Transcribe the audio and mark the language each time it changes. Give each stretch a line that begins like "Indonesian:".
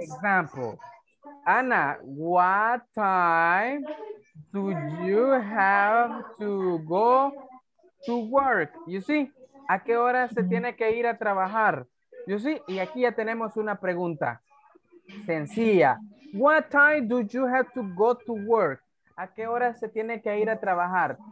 English: Example, Ana, what time do you have to go to work? You see?
Spanish: ¿A qué hora se tiene que ir a trabajar?
English: You see,
Spanish: y aquí ya tenemos una pregunta sencilla.
English: What time do you have to go to work?
Spanish: ¿A qué hora se tiene que ir a trabajar?